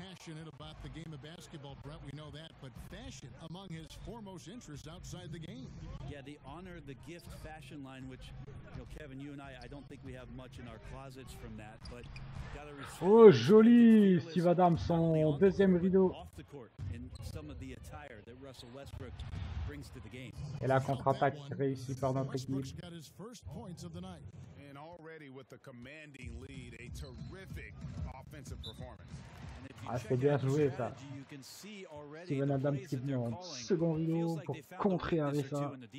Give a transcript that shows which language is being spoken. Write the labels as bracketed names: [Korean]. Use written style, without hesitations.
[English] Passionate about the game of basketball, Brett, we know that, but fashion among his foremost interests outside the game. Yeah, the honor, the gift fashion line, which, you know, Kevin, you and I don't think we have much in our closets from that, but gotta respect. [French] Oh, joli, Steve Adams, son deuxième rideau. [English] Off the court in some of the attire that Russell Westbrook brings to the game. [French] Et la contre-attaque réussie par notre équipe. [English] Westbrook's got his first points of the night. And already with the commanding lead, a terrific offensive performance. [French] Ah, c'est bien joué ça. Steven Adams qui vient en second rideau pour contrer Arisa.